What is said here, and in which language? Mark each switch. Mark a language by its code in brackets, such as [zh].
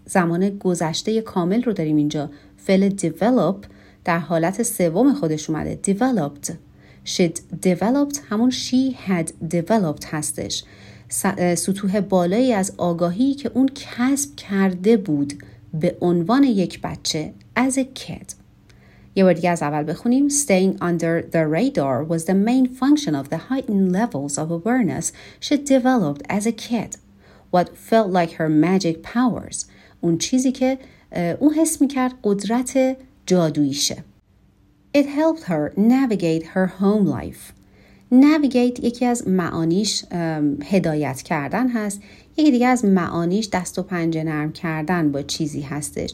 [fa] زمان گذشته کامل رو داریم اینجا. فعل develop در حالت سوم خودش اومده. [en] Developed. She'd developed همون she had developed هستش. [fa] سطوح بالایی از آگاهی که اون کسب کرده بود به عنوان یک بچه [en] as a kid. [fa] یه بار دیگه از اول بخونیم. [en] Staying under the radar was the main function of the heightened levels of awareness she developed as a kid. What felt like her magic powers. [fa] اون چیزی که اون حس میکرد قدرت جادویشه. [en] It helped her navigate her home life. [fa] Navigate یکی از معانیش هدایت کردن هست. یکی دیگه از معانیش دست و پنجه نرم کردن با چیزی هستش.